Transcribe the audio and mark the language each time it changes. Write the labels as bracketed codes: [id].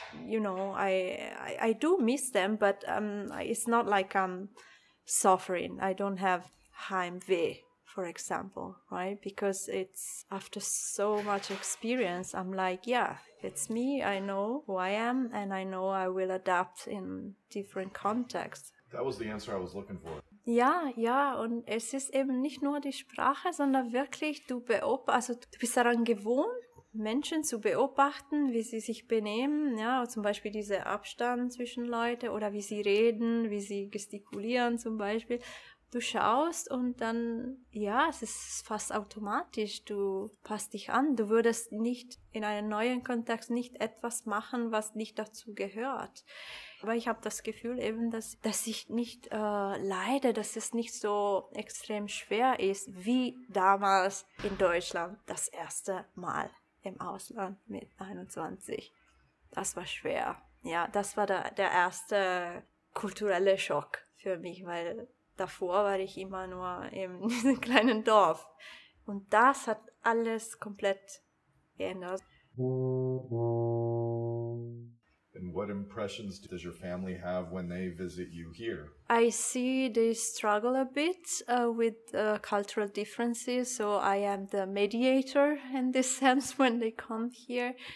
[en] You know, I do miss them, but it's not like I'm suffering. I don't have heimweh, for example, right? Because it's after so much experience, I'm like, yeah, it's me. I know who I am, and I know I will adapt in different contexts. That was the answer I was looking for. [de] Ja, und es ist eben nicht nur die Sprache, sondern wirklich, du bist daran gewohnt, Menschen zu beobachten, wie sie sich benehmen, ja, zum Beispiel dieser Abstand zwischen Leute oder wie sie reden, wie sie gestikulieren zum Beispiel. Du schaust und dann, ja, es ist fast automatisch, du passt dich an. Du würdest nicht in einem neuen Kontext nicht etwas machen, was nicht dazu gehört. Aber ich habe das Gefühl eben, dass ich nicht leide, dass es nicht so extrem schwer ist, wie damals in Deutschland das erste Mal im Ausland mit 21. Das war schwer. Ja, das war der erste kulturelle Schock für mich, weil davor war ich immer nur in diesem kleinen Dorf. Und das hat alles komplett geändert. [en] And what impressions does your family have when they visit you here? I see they struggle a bit with cultural differences, so I am the mediator in this sense when they come here.